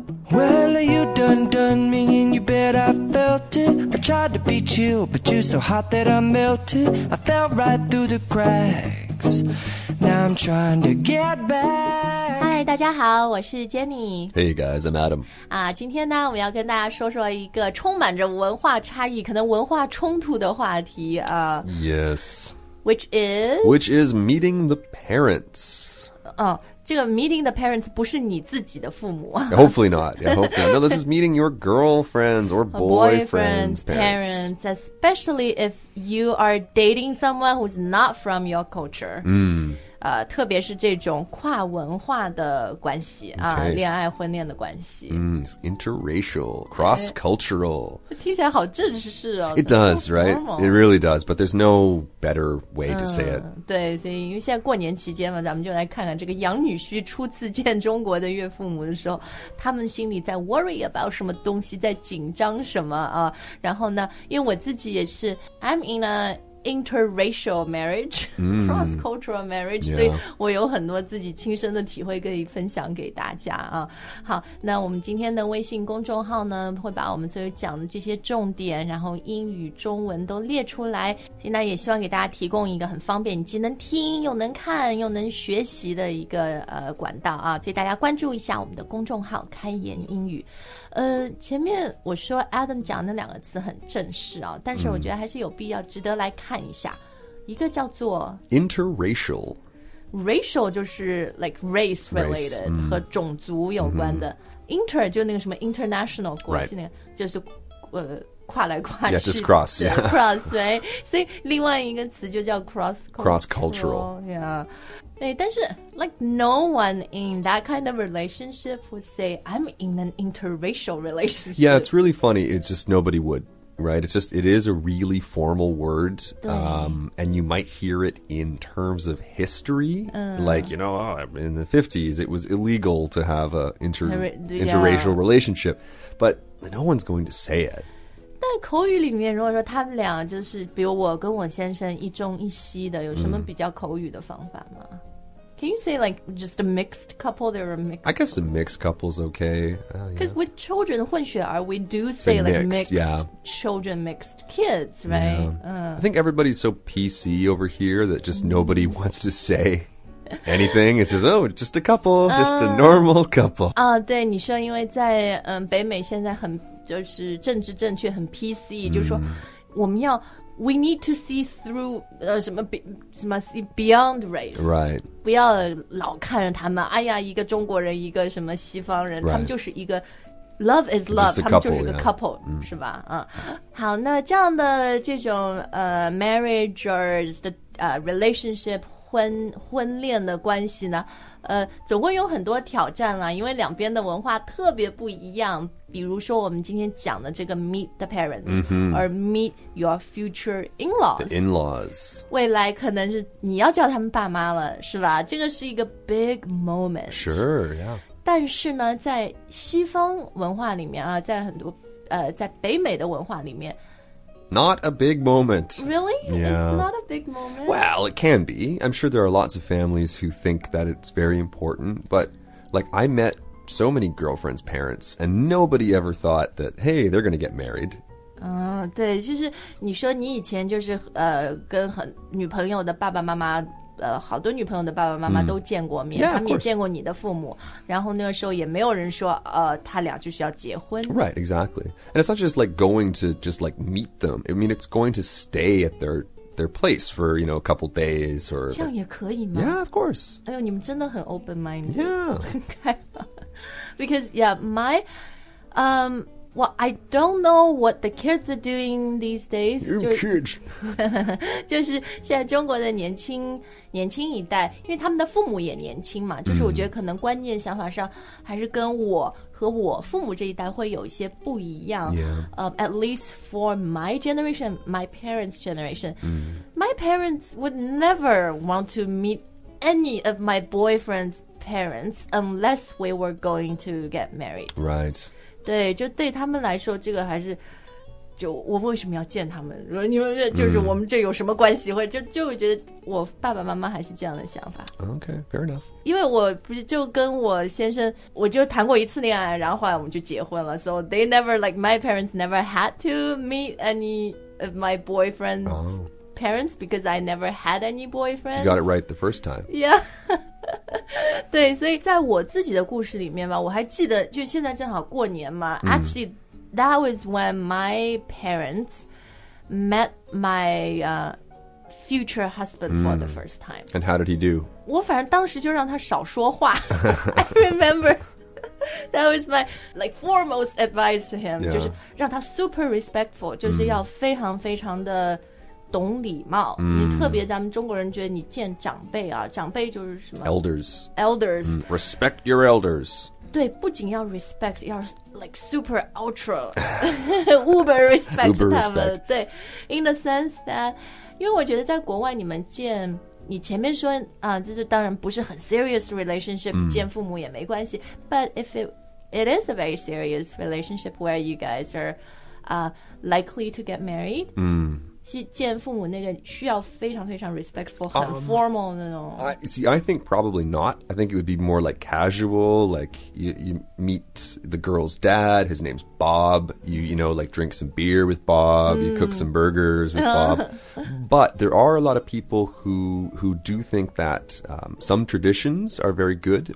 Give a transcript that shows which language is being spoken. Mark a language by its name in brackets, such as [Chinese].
[English] Well, you done me, and you bet I felt it. I tried to beat you, but you're so hot that I melted. I fell right through the cracks. Now I'm trying to get back. [Chinese] Hi, 大家好，我是 Jenny. [English] Hey guys, I'm Adam. [Chinese] 啊，今天呢，我们要跟大家说说一个充满着文化差异，可能文化冲突的话题啊。 [English] Yes. Which is meeting the parents. [Chinese] 哦，这个 [English] meeting the parents [Chinese] 不是你自己的父母。 [English] Hopefully not. Yeah, hopefully not. No, this is meeting your girlfriends or boyfriend's parents, especially if you are dating someone who's not from your culture. Hmm. [Chinese] 特别是这种跨文化的关系、 [English] okay. [Chinese] 恋爱婚恋的关系、 [English] Interracial, cross-cultural、 [Chinese] 哎、听起来好正式哦 [English] It does, right? It really does, but there's no better way to say it、 [Chinese] 对，所以因为现在过年期间嘛，咱们就来看看这个养女婿初次见中国的岳父母的时候他们心里在 [English] worry about [Chinese] 什么东西在紧张什么、然后呢因为我自己也是 [English] I'm in ainterracial marriage,、cross-cultural marriage,、 yeah. [Chinese] 所以我有很多自己亲身的体会可以分享给大家啊。好，那我们今天的微信公众号呢，会把我们所有讲的这些重点，然后英语、中文都列出来。现在也希望给大家提供一个很方便，你既能听又能看又能学习的一个管道啊。所以大家关注一下我们的公众号"开言英语"。前面我说 Adam 讲的那两个词很正式啊，但是我觉得还是有必要值得来看一下，一个叫做 [English] interracial， racial [Chinese] 就是 [English] like race related race,、 [Chinese] 和种族有关的、inter 就那个什么 international 国际那个、 [English] right. [Chinese] 就是跨来跨去 [English] yeah, just cross yeah. [Chinese] cross 对，所以另外一个词就叫 [English] cross cultural yeah. [Chinese] 但是 [English] like no one in that kind of relationship would say I'm in an interracial relationship. Yeah, it's really funny. It's just nobody would, right? It's just, it is a really formal word. And you might hear it in terms of history. Like, you know, in the 50s, it was illegal to have an interracial relationship. But no one's going to say it. [Chinese] 在口语里面如果说他们俩就是比如我跟我先生一中一西的有什么比较口语的方法吗、 [English] Can you say like just a mixed couple? They're a mixed I guess a mixed couple's okay. Because、 yeah. with children, [Chinese] 混血儿 [English] we do say mixed, like mixed、 yeah. children, mixed kids, right? Yeah.、I think everybody's so PC over here that just nobody wants to say anything. It says, oh, just a couple, just a normal couple. [Chinese] 啊、对你说因为在、北美现在很就是政治正确很 PC、就是说我们要 [English] we need to see through [Chinese] 什么 [English] see beyond race right [Chinese] 不要老看着他们哎呀一个中国人一个什么西方人、 [English] right. [Chinese] 他们就是一个 [English] love is love couple, [Chinese] 他们就是个 couple、 [English] yeah. [Chinese] 是吧、好那这样的这种 [English] marriage or the, relationship [Chinese] 婚恋的关系呢总会有很多挑战啦因为两边的文化特别不一样比如说我们今天讲的这个 [English] meet the parents、 mm-hmm. or meet your future in-laws the in-laws [Chinese] 未来可能是你要叫他们爸妈了是吧这个是一个 [English] big moment sure yeah [Chinese] 但是呢在西方文化里面啊在很多在北美的文化里面 [English] Not a big moment. Really? Yeah. It's not a big moment? Well, it can be. I'm sure there are lots of families who think that it's very important. But, like, I met so many girlfriends' parents, and nobody ever thought that, hey, they're going to get married. [Chinese] 对,就是你说你以前就是跟很女朋友的爸爸妈妈好多女朋友的爸爸妈妈都见过面、 [English] yeah, [Chinese] 他们也见过你的父母然后那个时候也没有人说他俩就是要结婚 [English] Right, exactly And it's not just like going to just like meet them I mean it's going to stay at their place for you know a couple days or [Chinese] 这样也可以吗 [English] Yeah, of course [Chinese] 哎呦你们真的很 open-minded [English] Yeah Because yeah, my Well, I don't know what the kids are doing these days. You kids. [Chinese] 就是现在中国的年轻一代，因为他们的父母也年轻嘛，就是我觉得可能观念想法上还是跟我和我父母这一代会有一些不一样。 [English] Yeah. At least for my generation, my parents' generation, my parents would never want to meet any of my boyfriend's parents unless we were going to get married. Right. [Chinese] 对，就对他们来说，这个还是，就我为什么要见他们，你们就是我们这有什么关系、mm. 就觉得我爸爸妈妈还是这样的想法。 [English] OK, fair enough. [Chinese] 因为我不是就跟我先生我就谈过一次恋爱，然后后来我们就结婚了。 [English] So they never, like my parents never had to meet any of my boyfriend's、oh. parents because I never had any boyfriend. You got it right the first time. Yeah. [Chinese] 对，所以在我自己的故事里面吧，我还记得就现在正好过年嘛、mm. [English] Actually, that was when my parents met my、future husband、mm. for the first time. And how did he do? [Chinese] 我反正当时就让他少说话。 [English] I remember that was my like foremost advice to him,、 yeah. [Chinese] 就是让他 [English] super respectful, [Chinese] 就是要非常非常的懂礼貌、 mm. 你特别咱们中国人觉得你见长辈啊，长辈就是什么 [English] Elders、 mm. Respect your elders. [Chinese] 对，不仅要 [English] respect, [Chinese] 要 [English] like super ultra uber respect uber [Chinese] 他们 [English] respect. [Chinese] 对， [English] in the sense that [Chinese] 因为我觉得在国外你们见你前面说啊，就是当然不是很 [English] serious relationship、 [Chinese] mm. 见父母也没关系， [English] but if it is a very serious relationship where you guys are、likely to get married、 mm. [Chinese] 见父母那个需要非常非常 respectful, 很 formal 那种。 [English] I think probably not. I think it would be more like casual, like you meet the girl's dad, his name's Bob, you know, like drink some beer with Bob,、mm. you cook some burgers with Bob. But there are a lot of people who do think that、some traditions are very good.